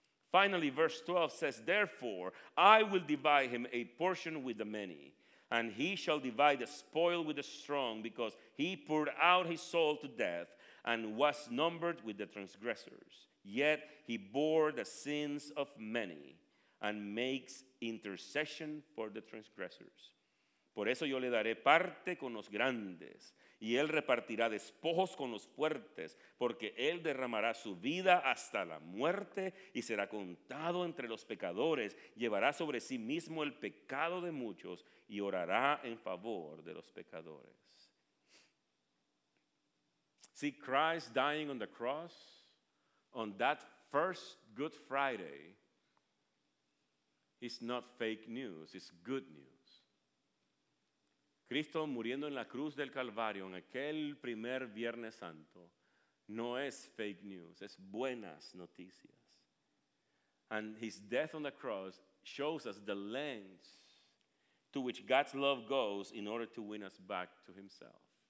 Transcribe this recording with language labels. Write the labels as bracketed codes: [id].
[en] Finally, verse 12 says, therefore, I will divide him a portion with the many, and he shall divide the spoil with the strong, because he poured out his soul to death and was numbered with the transgressors. Yet he bore the sins of many and makes intercession for the transgressors. [es] Por eso yo le daré parte con los grandes, y él repartirá despojos con los fuertes, porque él derramará su vida hasta la muerte y será contado entre los pecadores, llevará sobre sí mismo el pecado de muchos y orará en favor de los pecadores. [en] See, Christ dying on the cross on that first Good Friday, it's not fake news, it's good news. [es] Cristo muriendo en la cruz del Calvario en aquel primer Viernes Santo no es fake news, es buenas noticias. [en] And his death on the cross shows us the lengths to which God's love goes in order to win us back to himself.